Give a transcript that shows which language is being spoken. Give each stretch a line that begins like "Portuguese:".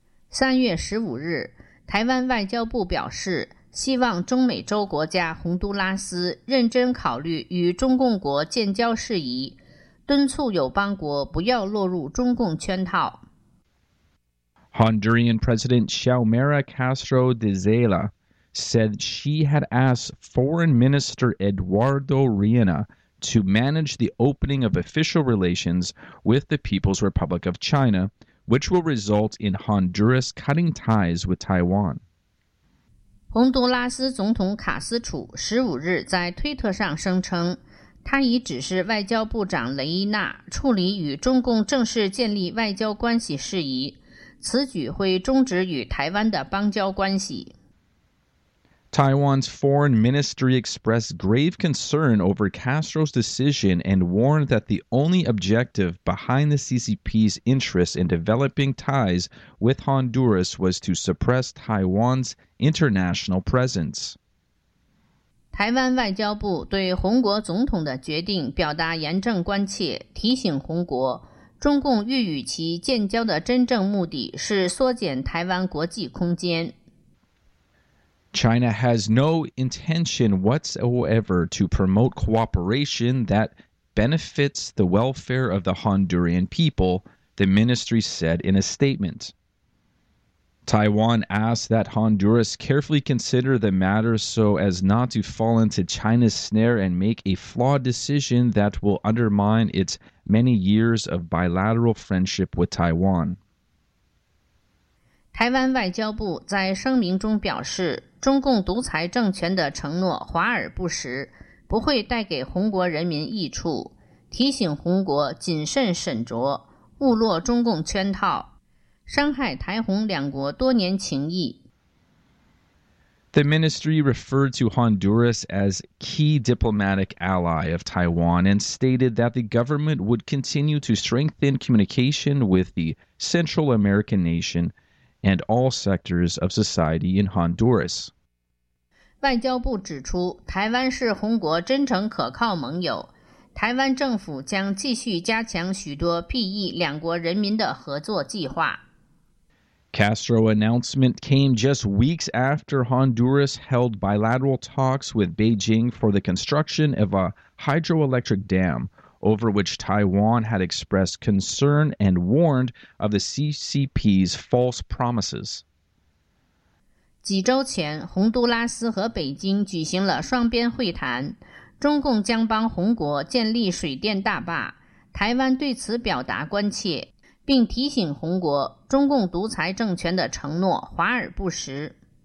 Chinese: 3月15日，台湾外交部表示，希望中美洲国家洪都拉斯认真考虑与中共国建交事宜，敦促友邦国不要落入中共圈套。
English: Honduran President Xiomara Castro de Zela said she had asked Foreign Minister Eduardo Reina to manage the opening of official relations with the People's Republic of China, which will result in Honduras cutting ties with Taiwan.
Chinese: 洪都拉斯总统卡斯楚15日在推特上声称，他已指示外交部长雷伊娜处理与中共正式建立外交关系事宜，此举会终止与台湾的邦交关系。
English: Taiwan's foreign ministry expressed grave concern over Castro's decision and warned that the only objective behind the CCP's interest in developing ties with Honduras was to suppress Taiwan's international presence.
Chinese: 台湾外交部对洪国总统的决定表达严正关切，提醒洪国，中共欲与其建交的真正目的是缩减台湾国际空间。
English: China has no intention whatsoever to promote cooperation that benefits the welfare of the Honduran people, the ministry said in a statement. Taiwan asked that Honduras carefully consider the matter so as not to fall into China's snare and make a flawed decision that will undermine its many years of bilateral friendship with Taiwan.
Chinese: 台湾外交部在声明中表示，中共独裁政权的承诺华而不实，不会带给洪国人民益处，提醒洪国谨慎审酌，勿落中共圈套，伤害台洪两国多年情谊。
English: The ministry referred to Honduras as key diplomatic ally of Taiwan and stated that the government would continue to strengthen communication with the Central American nation and all sectors of society in Honduras.
Chinese: 外交部指出，台湾是洪国真诚可靠盟友，台湾政府将继续加强许多裨益两国人民的合作计划。
English: Castro announcement came just weeks after Honduras held bilateral talks with Beijing for the construction of a hydroelectric dam, over which Taiwan had expressed concern and warned of the CCP's false promises.
Chinese: 几周前，洪都拉斯和北京举行了双边会谈，中共将帮洪国建立水电大坝，台湾对此表达关切，并提醒洪国，中共独裁政权的承诺华而不实。